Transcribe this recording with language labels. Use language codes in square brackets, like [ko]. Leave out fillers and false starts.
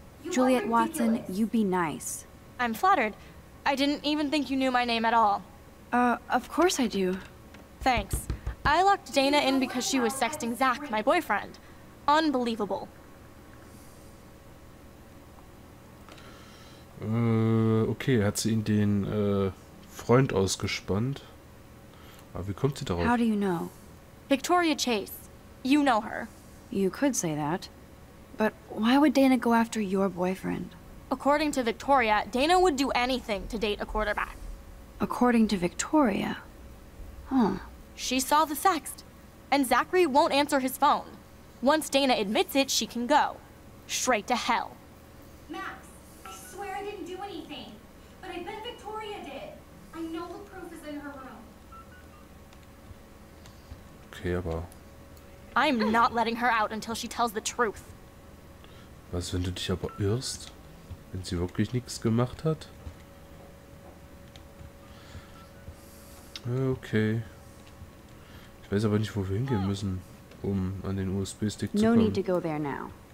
[en] Juliet Watson, you be nice. I'm flattered. I didn't even think you knew my name at all. Of course I do. Thanks. I locked Dana in because she was sexting Zach, my boyfriend. Unbelievable. [de] Okay, hat sie ihn den Freund ausgespannt? Aber wie kommt sie darauf? [en] How do you know? Victoria Chase. You know her. You could say that. But why would Dana go after your boyfriend? According to Victoria, Dana would do anything to date a quarterback. According to Victoria? Huh. She saw the sext, and Zachary won't answer his phone. Once Dana admits it, she can go. Straight to hell. Max, I swear I didn't do anything. But I bet Victoria did. I know the proof is in her room. [de] Okay, aber... [en] I'm not letting her out until she tells the truth. [de] Was, wenn du dich aber irrst? Wenn sie wirklich nichts gemacht hat? Okay. Ich weiß aber nicht, wo wir hingehen müssen, um an den USB-Stick zu kommen. [en] No need to go there now.